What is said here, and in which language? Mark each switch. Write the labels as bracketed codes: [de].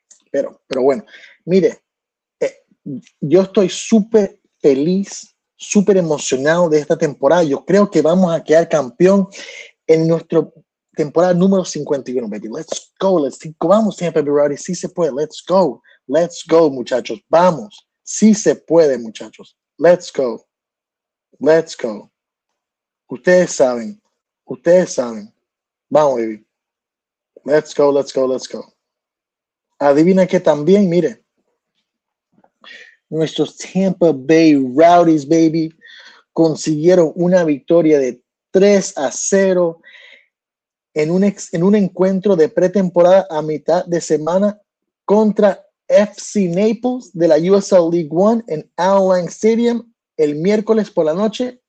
[es] Pero bueno, mire, yo estoy súper feliz, súper emocionado de esta temporada. Yo creo que vamos a quedar campeón en nuestra temporada número 51, baby. [en] Let's go, let's go. [es] Vamos, Tampa Bay Rowdies, sí se puede. [en] Let's go, let's go, muchachos. [es] Vamos, sí se puede, muchachos. [en] Let's go, let's go. [es] Ustedes saben. Vamos, [en] baby. Let's go, let's go, let's go. [es] Adivina que también, mire. Nuestros Tampa Bay Rowdies, baby, consiguieron una victoria de 3-0 en un encuentro de pretemporada a mitad de semana contra FC Naples de la USL League One en Al Lang Stadium el miércoles por la noche.